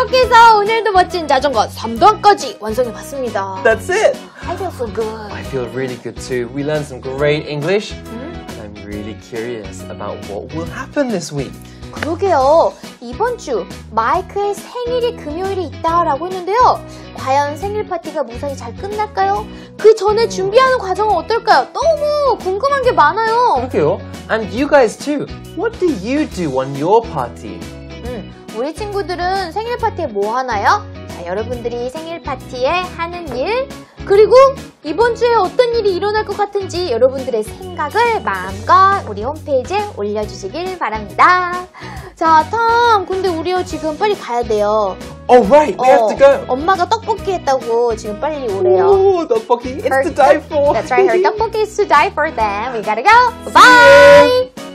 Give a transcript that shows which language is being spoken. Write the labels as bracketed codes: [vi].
[en] So, [ko] 오늘도 멋진 자전거 3단까지 완성해 봤습니다. [en] That's it. I feel so good. I feel really good too. We learned some great English. Mm-hmm. I'm really curious about what will happen this week. [ko] 그러게요. 이번 주 마이크의 생일이 금요일에 있다라고 했는데요. 과연 생일 파티가 무사히 잘 끝날까요? 그 전에 준비하는 과정은 어떨까요? 너무 궁금한 게 많아요. 그러게요. [en] And you guys too. What do you do on your party? [ko] 우리 친구들은 생일 파티에 뭐 하나요? 자, 여러분들이 생일 파티에 하는 일, 그리고 이번 주에 어떤 일이 일어날 것 같은지 여러분들의 생각을 마음껏 우리 홈페이지에 올려주시길 바랍니다. 자, 톰, 근데 우리 지금 빨리 가야 돼요. [en] Oh, right. We have to go. [ko] 엄마가 떡볶이 했다고 지금 빨리 오래요. [en] Oh, 떡볶이. It's to die for. That's right. Her 떡볶이 is to die for them. We gotta go. Bye.